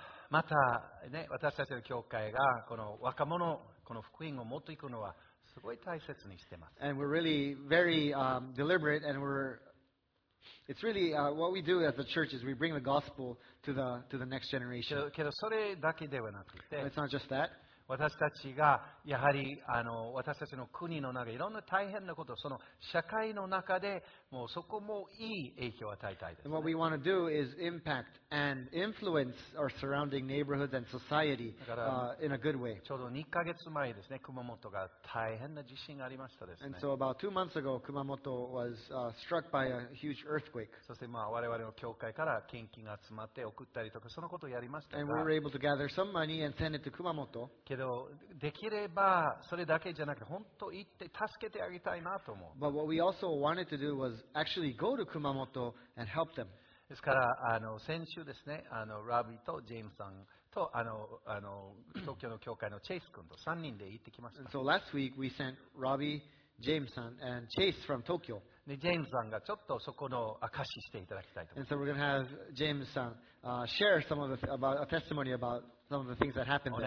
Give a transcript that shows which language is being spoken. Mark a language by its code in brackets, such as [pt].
[ja] またね私たちの教会がこの若者この福音を持っていくのはすごい大切にしてます。 [en] And we're really very deliberate and we're it's really what we do as a church is we bring the gospel to the next generation. [ja] けどそれだけではなくて。 [en] It's not just that. [ja] 私たちがやはり私たちの国の中いろんな大変なことその社会の中でもうそこもいい影響を与えたいです、ね、 [en] What we want to do is impact and influence our surrounding neighborhoods and society in a good way [ja] ちょうど2ヶ月前ですね熊本が大変な地震がありましたですね [en] And so about 2 months ago 熊本 was struck by a huge earthquake [ja] そしてまあ我々の教会から献金が集まって送ったりとかそのことをやりましたが [en] And we were able to gather some money and send it to 熊本 [ja] けどできればそれだけじゃなくて本当行って助けてあげたいなと思う。 [en] But what we also wanted to do was actually go to Kumamoto and help them. [ja] ですから先週ですねラビとジェームさんと東京の教会のチェイス君と3人で行ってきました。 [en] And so last week we sent Robbie, Jameson, and Chase from Tokyo. [ja] でジェームさんがちょっとそこの証ししていただきたいと思います。 [en] And so we're gonna have James さん share some of a testimony aboutSome of the things that happened there.